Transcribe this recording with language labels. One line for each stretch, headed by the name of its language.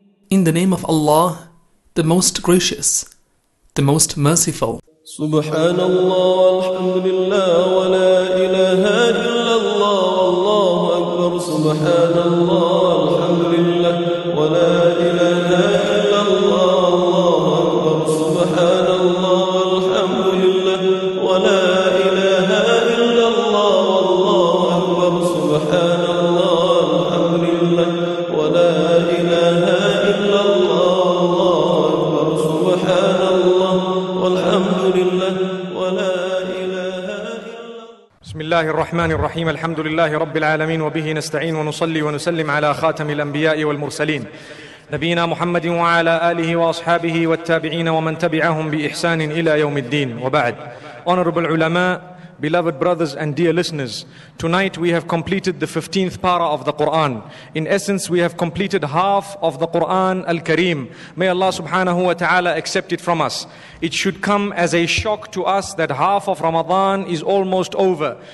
English: In the name of Allah, the Most Gracious, the Most Merciful.
Arabic: سبحان الله والحمد لله ولا إله إلا الله والله أكبر. سبحان الله والحمد لله ولا إله إلا الله والله أكبر. سبحان الله والحمد لله ولا إله إلا الله والله أكبر. سبحان الله والحمد لله ولا إله إلا الله والله أكبر. سبحان الله والحمد لله ولا إله إلا الله. بسم الله الرحمن الرحيم. الحمد لله رب العالمين وبه نستعين ونصلي ونسلم على خاتم الأنبياء والمرسلين نبينا محمد وعلى آله وأصحابه والتابعين ومن تبعهم بإحسان إلى يوم الدين وبعد.
English: Honorable ulama, beloved brothers and dear listeners, tonight we have completed the 15th para of the Quran. In essence, we have completed half of the Quran al-Kareem. May Allah subhanahu wa ta'ala accept it from us. It should come as a shock to us that half of Ramadan is almost over.